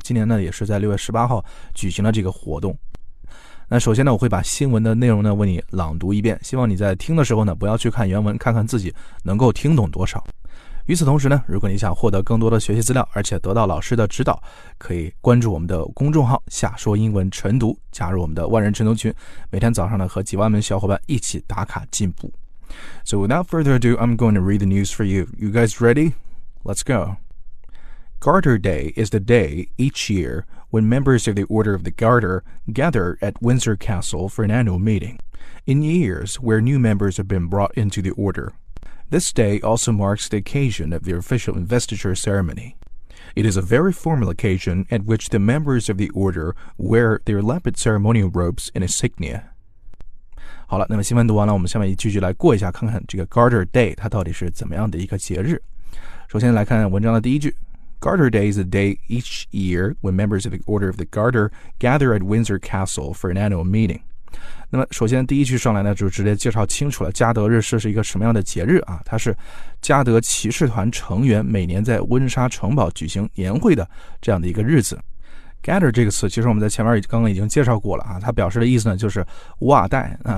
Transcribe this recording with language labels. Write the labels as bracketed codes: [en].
[zh] 今年呢也是在6月18号举行了这个活动。那首先呢，我会把新闻的内容呢为你朗读一遍，希望你在听的时候呢不要去看原文，看看自己能够听懂多少。与此同时呢，如果你想获得更多的学习资料，而且得到老师的指导，可以关注我们的公众号夏说英文晨读，加入我们的万人晨读群，每天早上呢和几万名小伙伴一起打卡进步。 [en] So without further ado, I'm going to read the news for you. You guys ready? Let's go. Garter Day is the day each year when members of the Order of the Garter gather at Windsor Castle for an annual meeting. In years where new members have been brought into the order,This day also marks the occasion of the official investiture ceremony. It is a very formal occasion at which the members of the order wear their lapid ceremonial robes and insignia. [zh] 好了，那么新闻读完了，我们下面一句句来过一下，看看这个 Garter Day 它到底是怎么样的一个节日。首先来看文章的第一句。 [en] Garter Day is a day each year when members of the Order of the Garter gather at Windsor Castle for an annual meeting. [zh] 那么首先第一句上来呢就直接介绍清楚了加德日是一个什么样的节日啊，它是加德骑士团成员每年在温莎城堡举行年会的这样的一个日子。 Gather 这个词其实我们在前面刚刚已经介绍过了啊，它表示的意思呢就是袜带啊。